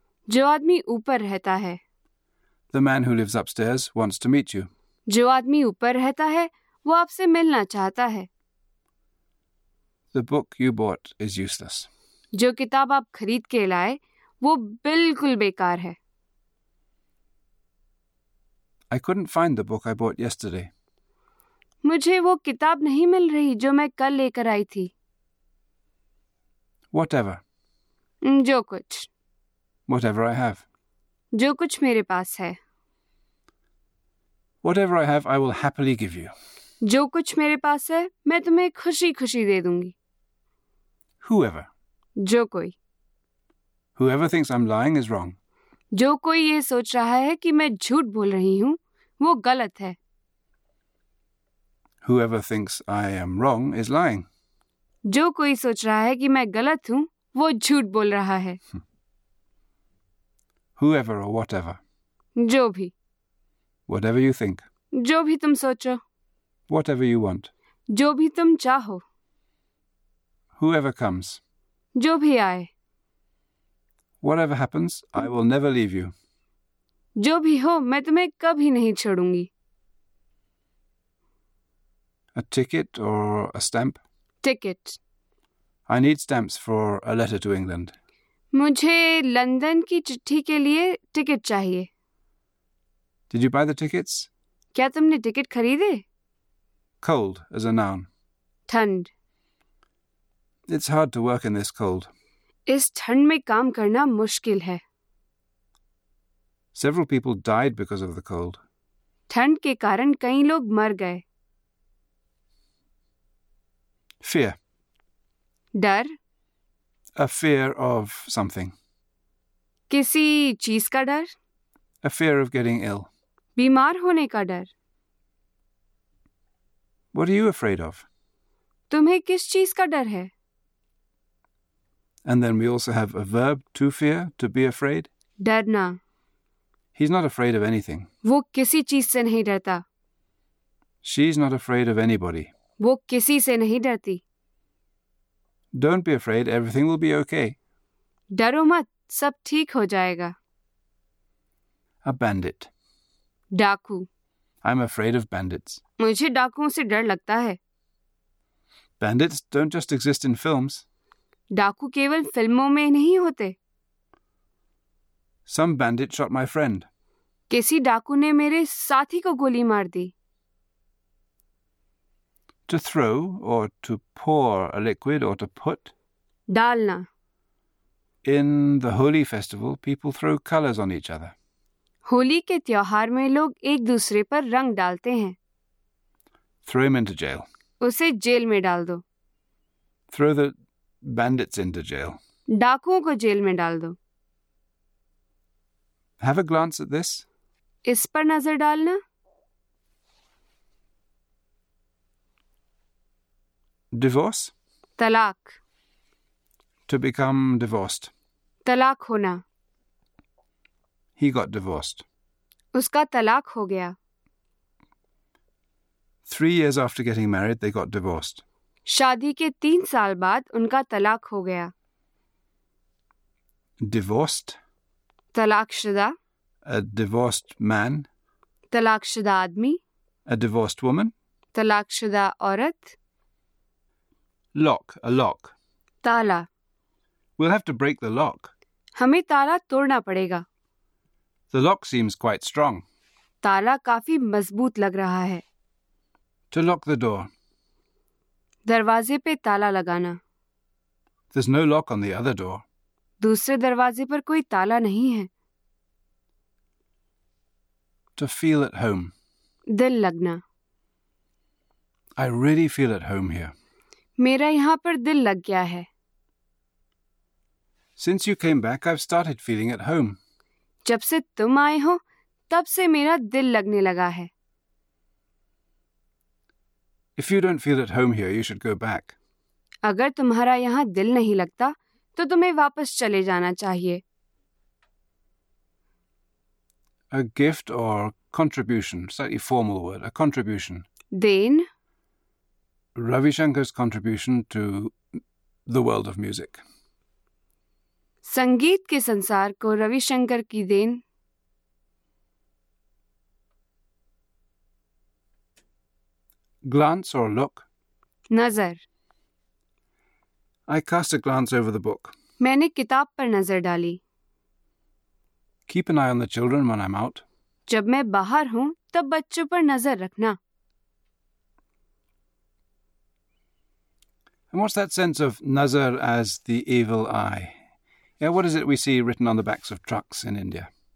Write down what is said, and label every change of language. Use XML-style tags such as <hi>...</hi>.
<hi>जो आदमी ऊपर रहता है.</hi> <en>The man who lives upstairs wants to meet you.</en> <hi>जो आदमी ऊपर रहता है वो आपसे मिलना चाहता है.</hi> <en>The book you bought is useless.</en> <hi>जो किताब आप खरीद के लाए वो बिल्कुल बेकार है.</hi> <en>I couldn't find the book I bought yesterday.</en> <hi>मुझे वो किताब नहीं मिल रही जो मैं कल लेकर आई थी.</hi> <en>Whatever.</en> <hi>जो कुछ.</hi> <en>Whatever I have.</en> <hi>जो कुछ मेरे पास है.</hi> <en>Whatever I have, I will happily give you.</en> <hi>जो कुछ मेरे पास है मैं तुम्हें खुशी खुशी दे दूंगी.</hi> <en>Whoever.</en> <hi>जो कोई.</hi> <en>Whoever thinks I'm lying is wrong.</en> <hi>जो कोई ये सोच रहा है कि मैं झूठ बोल रही हूँ, वो गलत है.</hi> <en>Whoever thinks I am wrong is lying.</en> <hi>जो कोई सोच रहा है कि मैं गलत हूँ, वो झूठ बोल रहा है.</hi> <en>Whoever or whatever.</en> <hi>जो भी.</hi> <en>Whatever you think.</en> <hi>जो भी तुम सोचो.</hi> <en>Whatever you want.</en> <hi>जो भी तुम चाहो.</hi> <en>Whoever comes.</en> <hi>जो भी आए.</hi> <en>Whatever happens, I will never leave you.</en> <hi>जो भी हो, मैं तुम्हें कभी नहीं छोड़ूंगी.</hi> <en>A ticket or a stamp? Ticket. I need stamps for a letter to England.</en> <hi>मुझे लंदन की चिट्ठी के लिए टिकट चाहिए.</hi> <en>Did you buy the tickets?</en> <hi>क्या तुमने टिकट खरीदे?</hi> <en>Cold as a noun.</en> <hi>ठंड.</hi> <en>It's hard to work in this cold.</en> <hi>इस ठंड में काम करना मुश्किल है.</hi> <en>Several people died because of the cold.</en> <hi>ठंड के कारण कई लोग मर गए.</hi> <en>Fear.</en> <hi>डर.</hi> <en>A fear of something.</en> <hi>किसी चीज का डर.</hi> <en>A fear of getting ill.</en> <hi>बीमार होने का डर.</hi> <en>What are you afraid of?</en> <hi>तुम्हें किस चीज का डर है?</hi> <en>And then we also have a verb to fear, to be afraid.</en> <hi>डरना.</hi> <en>He's not afraid of anything.</en> <hi>वो किसी चीज से नहीं डरता.</hi> <en>She's not afraid of anybody.</en> <hi>वो किसी से नहीं डरती.</hi> <en>Don't be afraid, everything will be okay.</en> <hi>डरो मत, सब ठीक हो जाएगा.</hi> <en>A bandit.</en> <hi>डाकू.</hi> <en>I'm afraid of bandits.</en> <hi>मुझे डाकुओं से डर लगता है.</hi> <en>Bandits don't just exist in films.</en> <hi>डाकू केवल फिल्मों में नहीं होते.</hi> <en>Some bandit shot my friend.</en> <hi>किसी डाकू ने मेरे साथी को गोली मार दी.</hi> <en>To throw or to pour a liquid or to put.</en> <hi>डालना.</hi> <en>In the holy festival, people throw colors on each other.</en> <hi>Holi के त्योहार में लोग एक दूसरे पर रंग डालते हैं.</hi> <en>Throw him into jail.</en> <hi>उसे जेल में डाल दो.</hi> <en>Throw the bandits into jail.</en> <hi>डाकुओं को जेल में डाल दो.</hi> <en>Have a glance at this.</en> <hi>इस पर नजर डालना.</hi> <en>Divorce.</en> <hi>तलाक.</hi> <en>To become divorced.</en> <hi>तलाक होना.</hi> <en>He got divorced.</en> <hi>उसका तलाक हो गया.</hi> <en>3 years after getting married, they got divorced.</en> <hi>शादी के 3 साल बाद उनका तलाक हो गया.</hi> <en>Divorced.</en> <hi>तलाकशुदा.</hi> <en>A divorced man.</en> <hi>तलाकशुदा आदमी.</hi> <en>A divorced woman.</en> <hi>तलाकशुदा औरत.</hi> <en>Lock, a lock.</en> <hi>ताला.</hi> <en>We'll have to break the lock.</en> <hi>हमें ताला तोड़ना पड़ेगा.</hi> <en>The lock seems quite strong.</en> <hi>ताला काफी मजबूत लग रहा है.</hi> <en>To lock the door.</en> <hi>दरवाजे पे ताला लगाना.</hi> <en>There's no lock on the other door.</en> <hi>दूसरे दरवाजे पर कोई ताला नहीं है.</hi> <en>To feel at home.</en> <hi>दिल लगना.</hi> <en>I really feel at home here.</en> <hi>मेरा यहाँ पर दिल लग गया है.</hi> <en>Since you came back, I've started feeling at home.</en> <hi>जब से तुम आए हो, तब से मेरा दिल लगने लगा है.</hi> <en>If you don't feel at home here, you should go back.</en> <hi>अगर तुम्हारा यहाँ दिल नहीं लगता, तो तुम्हें वापस चले जाना चाहिए.</hi> <en>A gift or contribution, slightly formal word, a contribution.</en> <hi>Then.</hi> <en>Ravi Shankar's contribution to the world of music.</en> <hi>संगीत के संसार को रविशंकर की देन.</hi> <en>Glance or look.</en> <hi>नजर.</hi> <en>I cast a glance over the book.</en> <hi>मैंने किताब पर नजर डाली.</hi> <en>Keep an eye on the children when I'm out.</en> <hi>जब मैं बाहर हूं, तब बच्चों पर नजर रखना.</hi> <en>And what's that sense of nazar as the evil eye? Yeah, what is it we see written on the backs of trucks in India?</en>